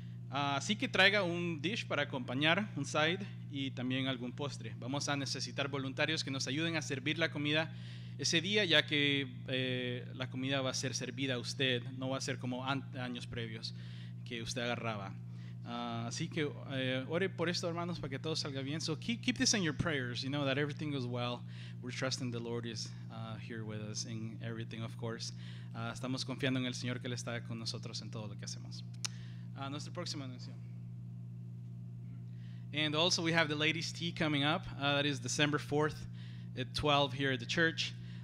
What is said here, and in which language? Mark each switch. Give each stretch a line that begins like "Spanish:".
Spanish: Así que traiga un dish para acompañar, un side, y también algún postre. Vamos a necesitar voluntarios que nos ayuden a servir la comida ese día, ya que la comida va a ser servida a usted, no va a ser como años previos que usted agarraba. Así que ore por esto, hermanos, para que todo salga bien.
English: So keep this in your prayers, you know, that everything goes well. We're trusting the Lord is here with us in everything, of course.
Spanish: Estamos confiando en el Señor que Él está con nosotros en todo lo que hacemos. Nuestro próximo anuncio.
English: And also we have the ladies' tea coming up. That is December 4th at 12 here at the church.